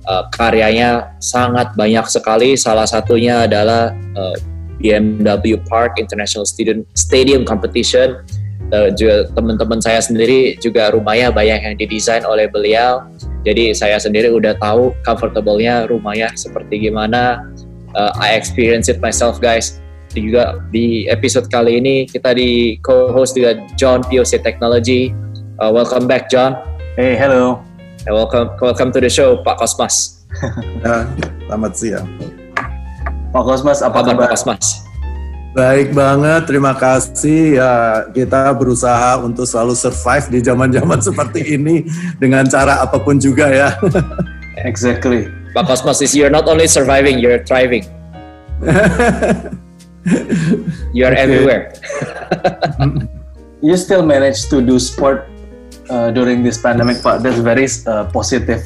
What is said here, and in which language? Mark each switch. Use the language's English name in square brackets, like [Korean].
[Indonesian] Karyanya sangat banyak sekali, salah satunya adalah BMW Park International Stadium Competition. Juga teman-teman saya sendiri juga rumahnya banyak yang didesain oleh beliau, jadi saya sendiri udah tahu comfortable-nya rumahnya seperti gimana. [English] I experience it myself, guys. [Indonesian] Juga di episode kali ini kita di co-host dengan John, POC Technology. [English] Welcome back, John. Hey, hello. And welcome to the show, Pak Cosmas. [Indonesian] Selamat siang. Pak Cosmas, apa kabar? Pak Cosmas? Baik banget, terima kasih. Ya, kita berusaha untuk selalu survive di zaman-zaman seperti ini dengan cara apapun juga ya. [English] Exactly. Pak Cosmas, you're not only surviving, you're thriving. You are everywhere. You still manage to do sport during this pandemic, but that's very positive.